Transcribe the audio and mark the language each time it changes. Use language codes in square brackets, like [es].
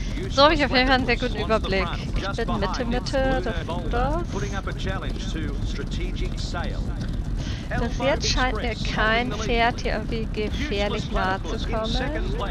[de] So habe ich auf jeden Fall einen sehr guten Überblick. Ich bin Mitte, das ist das. [en] Putting up a challenge to Strategic Sail. [de] Bis jetzt scheint mir kein Pferd hier irgendwie gefährlich nahe zu kommen.